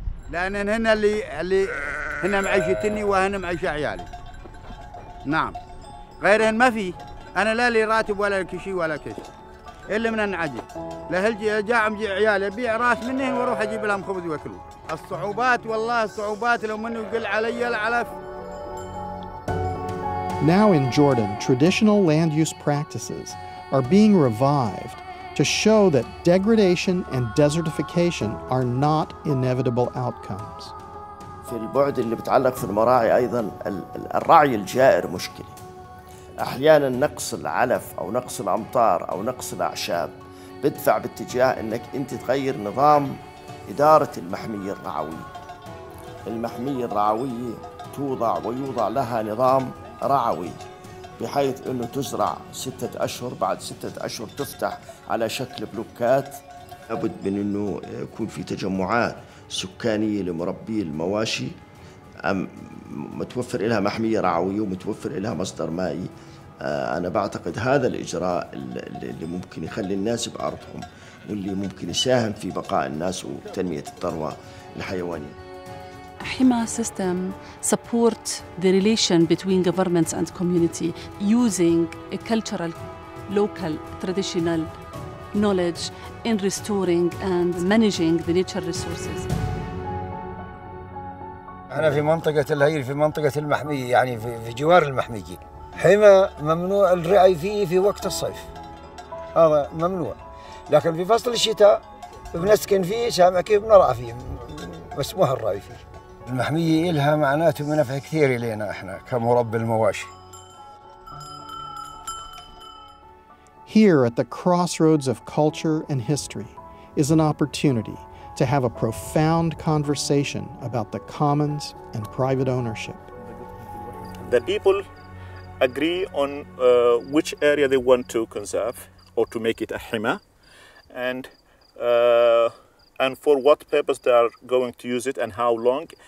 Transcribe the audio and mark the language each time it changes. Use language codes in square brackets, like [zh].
[ar] لان هنا اللي هنا معيشتني وهنا معيش عيالي، نعم، غيرهن ما في. انا لا لي راتب ولا لك شيء ولا كش الا من النعجي، لا هلجي جاع امجي عيالي، ابيع راس منهم واروح اجيب لهم خبز واكلوا. الصعوبات والله الصعوبات، لو منه يقل علي العلف. [en] Now in Jordan, traditional land use practices are being revived to show that degradation and desertification are not inevitable outcomes. [ar] في البعد اللي بتعلق في المراعي أيضا، الرعي الجائر مشكلة. أحيانا نقص العلف أو نقص الأمطار أو نقص الأعشاب بدفع باتجاه أنك أنت تغير نظام إدارة المحمية الرعوية. المحمية الرعوية توضع ويوضع لها نظام رعوي، بحيث أنه تزرع ستة أشهر، بعد ستة أشهر تفتح على شكل بلوكات. لابد من أنه يكون في تجمعات سكانية لمربي المواشي، متوفر إلها محمية رعوية ومتوفر إلها مصدر مائي. أنا بعتقد هذا الإجراء اللي ممكن يخلي الناس بأرضهم، واللي ممكن يساهم في بقاء الناس وتنمية الثروة الحيوانية. [en] HIMA system supports the relation between governments and community using a cultural, local, traditional knowledge in restoring and managing the natural resources. [ar] أنا في منطقة الهير، في منطقة المحمية، يعني في جوار المحمية. حما ممنوع الرعي فيه في وقت الصيف، هذا ممنوع، لكن في فصل الشتاء بنسكن فيه، سامع كيف بنرعى فيه، مسموح الرعي فيه. المحمية إلها معناته منفع كثير إلينا إحنا كمربي المواشي. [en] Here at the crossroads of culture and history is an opportunity to have a profound conversation about the commons and private ownership. The people agree on which area they want to conserve or to make it a HIMA, and for what purpose they are going to use it and how long.